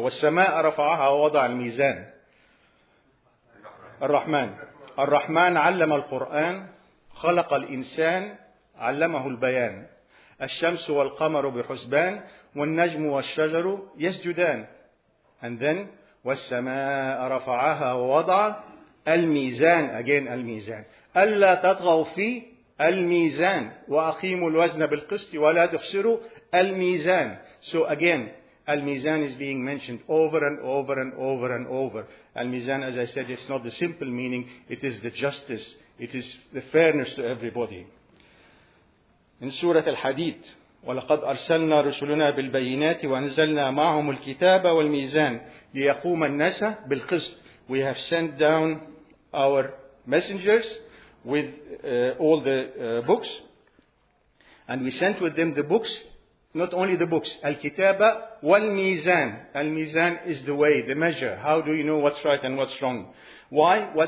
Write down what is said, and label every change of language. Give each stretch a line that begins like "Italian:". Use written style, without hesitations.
Arabic: وَالسَّمَاءَ رَفَعَهَا وَوَضَعَ الْمِيزَانَ الرحمن الرحمن علم القرآن خلق الإنسان علمه البيان الشمس والقمر بحسبان والنجم والشجر يسجدان
English: and then
Arabic: وَالسَّمَاءَ رَفَعَهَا وَوَضَعَ الْمِيزَانَ again الْمِيزَانَ ألا تطغوا في الميزان وأقيموا الوزن بالقسط ولا تخسروا الميزان.
English: So again, الميزان is being mentioned over and over and over and over. الميزان, as I said, it's not the simple meaning. It is the justice. It is the fairness to everybody. In Surah Al-Hadid,
Arabic: ولقد أرسلنا رسلنا بالبينات وأنزلنا معهم الكتاب والميزان ليقوم الناس بالقسط.
English: We have sent down our messengers with all the books, and we sent with them the books, not only the books,
Arabic: al-kitaba wal-mizan.
English: Al-mizan is the way, the measure. How do you know what's right and what's wrong? Why?